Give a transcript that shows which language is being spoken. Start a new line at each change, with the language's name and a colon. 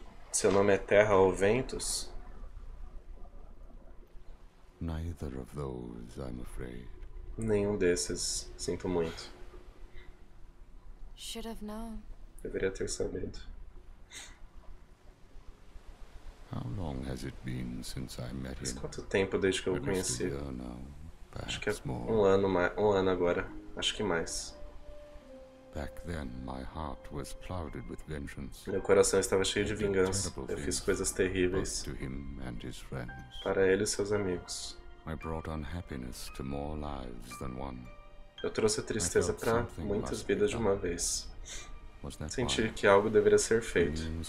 Portuguese: Seu nome é Terra ou Ventus?
English: Neither of those, I'm afraid.
Portuguese: Nenhum desses. Sinto muito.
English: Should have known.
Portuguese: Deveria ter sabido.
English: How long has it been since I met him?
Portuguese: Mas quanto tempo desde que eu o conheci? Acho que é um ano agora. Acho que mais.
English: Back then, my heart was clouded with vengeance.
Portuguese: Meu coração estava cheio de vingança. Eu fiz coisas terríveis
English: to him and his friends.
Portuguese: Para ele e seus amigos.
English: I brought unhappiness to more lives than one.
Portuguese: Eu trouxe a tristeza para muitas vidas de uma vez. Senti que algo deveria ser feito.